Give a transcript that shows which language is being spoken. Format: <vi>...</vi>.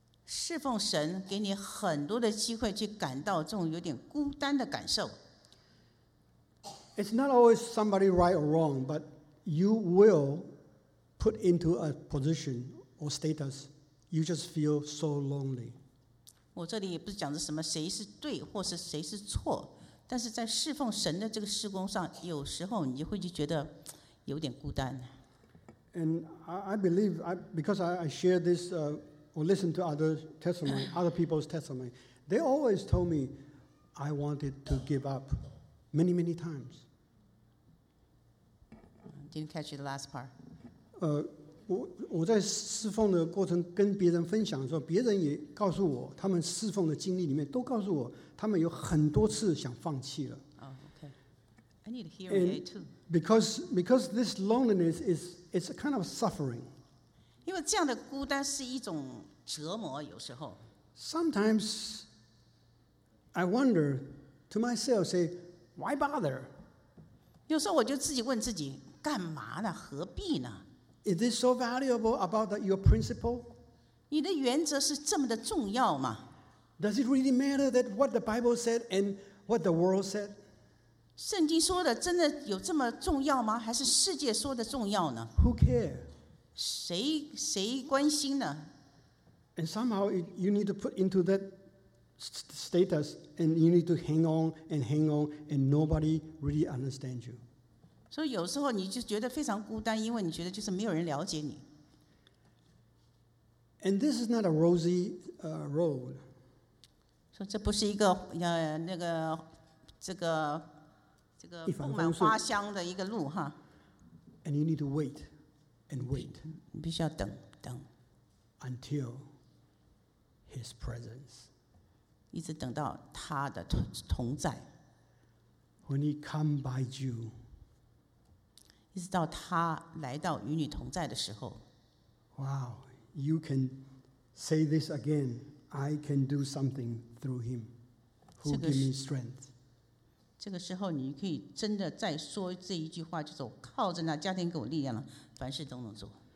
<zh>侍奉神给你很多的机会去感到这种有点孤单的感受。</zh> <en>It's not always somebody right or wrong, but you will put into a position or status, you just feel so lonely.</en> <zh>我这里也不是讲的什么谁是对或是谁是错，但是在侍奉神的这个事工上，有时候你会就觉得有点孤单。</zh> <en>And I believe, because I share this or listen to other testimony, other people's testimony, they always told me I wanted to give up many, many times. Didn't catch the last part.</en> <zh>我在侍奉的过程跟别人分享的时候，别人也告诉我，他们侍奉的经历里面都告诉我，他们有很多次想放弃了。</zh> <en>I need a hearing aid too. Because this loneliness is it's a kind of suffering.</en> <zh>因为这样的孤单是一种折磨，有时候。</zh> <en>Sometimes I wonder to myself, say, why bother?</en> <zh>有时候我就自己问自己，干嘛呢？何必呢？</zh> <en>Is this so valuable about your principle?</en> <zh>你的原则是这么的重要吗？</zh> <en>Does it really matter that what the Bible said and what the world said?</en> <zh>圣经说的真的有这么重要吗？还是世界说的重要呢？</zh> <en>Who care?</en> <zh>谁关心呢？</zh> <en>And somehow you need to put into that status and you need to hang on and hang on and nobody really understands you.</en> <zh>所以有时候你就觉得非常孤单，因为你觉得就是没有人了解你。</zh> <en>And this is not a rosy road.</en> <zh>说这不是一个那个这个布满花香的一个路哈。</zh> <en>And you need to wait and wait.</en> <zh>你必须要等。</zh> <en>Until His presence.</en> <zh>一直等到他的同在。</zh> <en>When He come by you.</en> <zh>一直到他来到与你同在的时候</zh> <en>Wow, you can say this again. I can do something through him who gives me strength.</en> <zh>这个时候你可以真的再说这一句话，就是我靠着那加添给我力量了，凡事都能做。</zh>